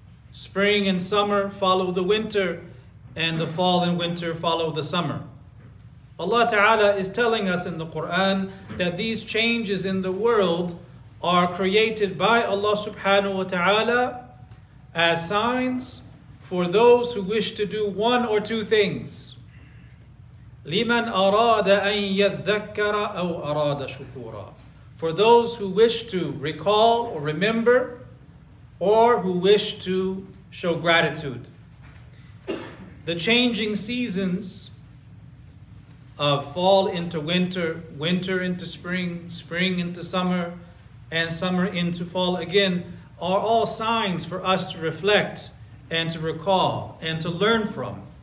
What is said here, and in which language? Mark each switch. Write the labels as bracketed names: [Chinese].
[English] Spring and summer follow the winter, and the fall and winter follow the summer. Allah Ta'ala is telling us in the Quran that these changes in the world are created by Allah subhanahu wa ta'ala as signs for those who wish to do one or two things. [Arabic] لِمَنْ أَرَادَ أَن يَذَّكَّرَ أَوْ أَرَادَ شُكُورًا. [English] For those who wish to recall or remember, or who wish to show gratitude. The changing seasons of fall into winter, winter into spring, spring into summer, and summer into fall again, are all signs for us to reflect and to recall and to learn from.